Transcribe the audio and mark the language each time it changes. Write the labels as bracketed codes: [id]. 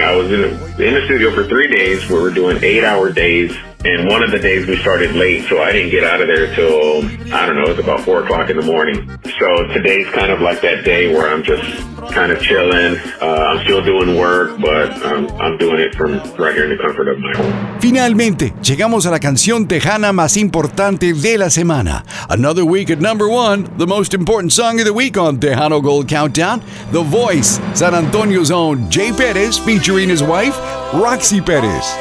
[en] I was in the studio for 3 days. We were doing 8-hour days. And one of the days we started late, so I didn't get out of there till, I don't know, it was about 4 o'clock in the morning. So today's kind of like that day where I'm just kind of chilling. I'm still doing work, but I'm doing it from right here in the comfort of my home. [es] Finalmente, llegamos a la canción tejana más importante de la semana. [en] Another week at number one, the most important song of the week on Tejano Gold Countdown, The Voice, San Antonio's own Jay Perez featuring his wife, Roxy Perez.